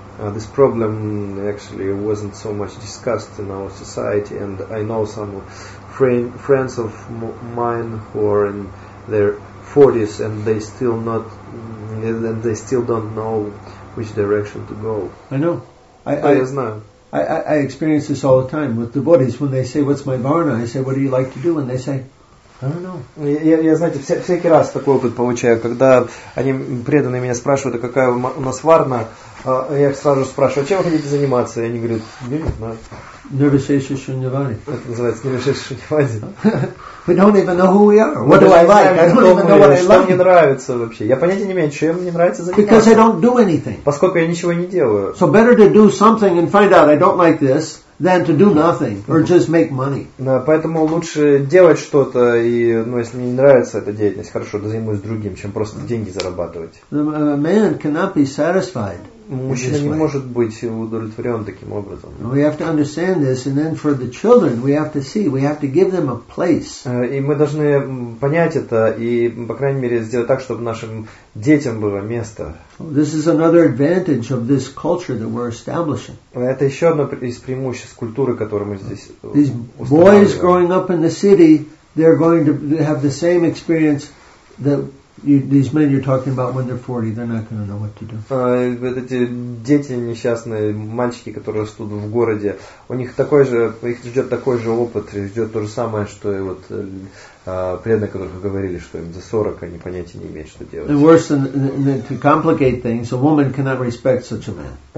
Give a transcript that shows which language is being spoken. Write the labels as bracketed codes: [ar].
[en] This problem actually wasn't so much discussed in our society, and I know some friends of mine who are in their 40s and they still don't know which direction to go. I know. I experience this all the time with devotees. When they say, "What's my varna?" I say, "What do you like to do?" And they say, I don't know. [ru] Я всякий раз такой опыт получаю, когда они преданные меня спрашивают, а какая у нас варна, я их сразу спрашиваю, чем вы хотите заниматься, и они говорят, не знаю. Нирвишеша шуньявани. Это называется нирвишеша шуньявани. [en] We don't even know who we are. What do I like? [ru] Что мне нравится вообще? Я понятия не имею, чем мне нравится заниматься. [en] Because I don't do anything. [ru] Поскольку я ничего не делаю. [en] So better to do something and find out I don't like this. Than to do nothing or just make money. [ru] Поэтому лучше делать что-то и, если мне не нравится эта деятельность, хорошо, да займусь другим, чем просто деньги зарабатывать. [en] A man cannot be satisfied. [ru] Мужчина не может быть удовлетворен таким образом. [en] We have to understand this, and then for the children, we have to see, we have to give them a place. [ru] И мы должны понять это и, по крайней мере, сделать так, чтобы нашим детям было место. [en] This is another advantage of this culture that we're establishing. [ru] Это еще одно из преимуществ культуры, которую мы здесь устанавливаем. [en] These boys growing up in the city, they're going to have the same experience that. These men you're talking about when they're 40, they're not going to know what to do. [ru] Вот эти дети несчастные, мальчики, которые растут в городе, у них такой же, их ждет такой же опыт, ждет то же самое, что и вот преданные, которых говорили, что им за 40, они понятия не имеют, что делать. [en] And worse than to complicate things, a woman cannot respect such a man.